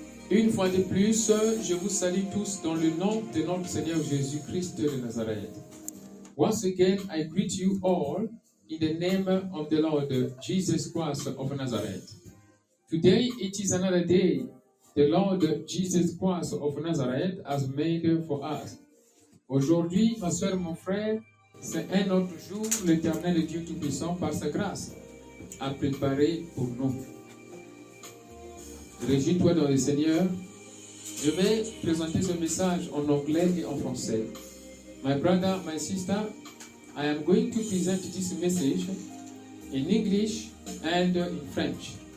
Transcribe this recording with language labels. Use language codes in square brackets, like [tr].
[fr] Une fois de plus, je vous salue tous dans le nom de notre Seigneur Jésus-Christ de Nazareth. [en] Once again, I greet you all in the name of the Lord Jesus Christ of Nazareth. Today, it is another day the Lord Jesus Christ of Nazareth has made for us. [fr] Aujourd'hui, ma soeur, mon frère, c'est un autre jour l'Éternel Dieu Tout-Puissant par sa grâce a préparé pour nous. Réjouis-toi dans le Seigneur. Je vais présenter ce message en anglais et en français. [en] My brother, my sister, I am going to present this message in English and in French.